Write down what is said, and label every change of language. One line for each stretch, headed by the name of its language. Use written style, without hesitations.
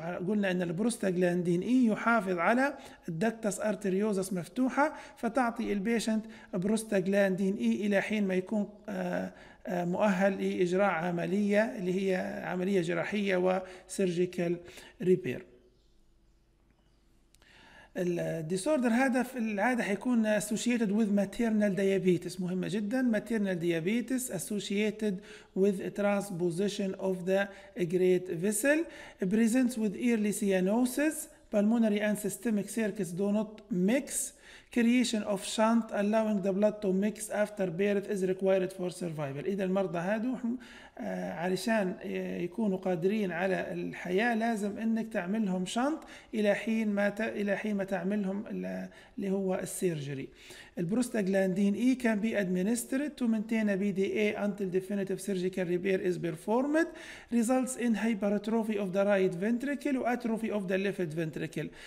Arabic: قلنا أن البروستاجلاندين إي يحافظ على الدكتس أرتريوزس مفتوحة، فتعطي البيشنت بروستاجلاندين إي إلى حين ما يكون مؤهل لإجراء عملية اللي هي عملية جراحية وسيرجيكال ريبير. الديسوردر هذا في العادة حيكون
English: associated with maternal diabetes، مهمة جدا maternal diabetes associated with transposition of the great vessel، presents with early cyanosis، pulmonary and systemic circuits do not mix، creation of shunt allowing the blood to mix after birth is required for survival.
Arabic: إذا المرضى هادو علشان يكونوا قادرين على الحياة لازم إنك تعملهم شنط إلى حين ما تعملهم اللي هو السيرجري.
English: البروستاجلاندين E can be administered to maintain a BDA until definitive surgical repair is performed results in hypertrophy of the right ventricle and atrophy of the left ventricle.